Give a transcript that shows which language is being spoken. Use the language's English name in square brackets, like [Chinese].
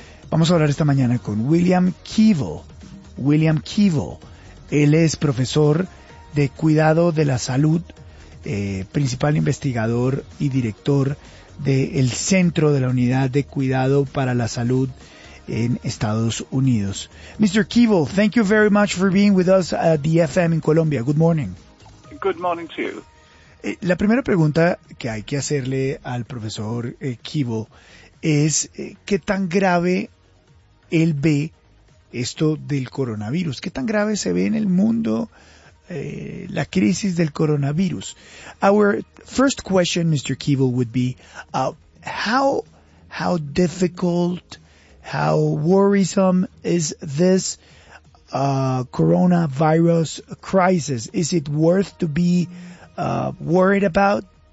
[Spanish] Vamos a hablar esta mañana con William Kivo. William Kivo, él es profesor de cuidado de la salud, principal investigador y director del centro de la unidad de cuidado para la salud en Estados Unidos. [English] Mr. Kivo, thank you very much for being with us at the FM in Colombia. Good morning. Good morning to you. [Spanish] La primera pregunta que hay que hacerle al profesor Kivo es qué tan grave él ve esto del coronavirus, qué tan grave se ve en el mundo la crisis del coronavirus. [English] Our first question, Mr. Kivo, would be how difficult, how worrisome is this coronavirus crisis? Is it worth to be worried about?